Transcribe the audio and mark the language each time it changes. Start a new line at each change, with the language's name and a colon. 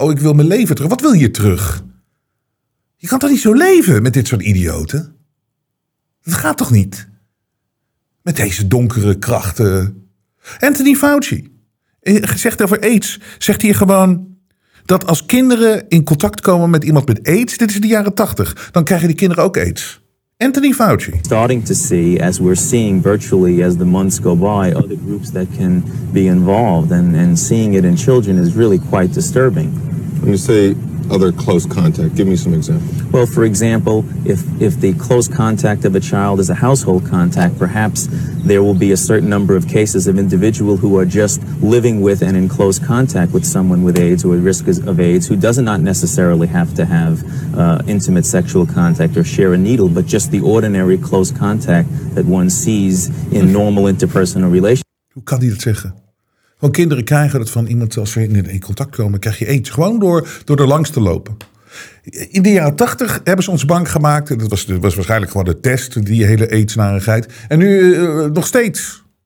Dutch: Oh, ik wil mijn leven terug. Wat wil je terug? Je kan toch niet zo leven met dit soort idioten? Dat gaat toch niet? Met deze donkere krachten. Anthony Fauci. Zegt over AIDS. Zegt hier gewoon dat als kinderen in contact komen met iemand met AIDS. Dit is de jaren 80. Dan krijgen die kinderen ook AIDS. Anthony Fauci.
English: Starting to see, as we're seeing virtually as the months go by, other groups that can be involved. And seeing it in children is really quite disturbing. When you say other close contact, give me some examples. Well, for example, if the close contact of a child is a household contact, perhaps there will be a certain number of cases of individual who are just living with and in close contact with someone with AIDS or at risk of AIDS who does not necessarily have to have intimate sexual contact or share a needle, but just the ordinary close contact that one sees in normal interpersonal relations.
Dutch: Hoe kan hij dat zeggen? Want kinderen krijgen het van iemand, als ze in contact komen, krijg je AIDS. Gewoon door er langs te lopen. In de jaren 80 hebben ze ons bang gemaakt. Dat was waarschijnlijk gewoon de test, die hele AIDS-narigheid. En nu nog steeds.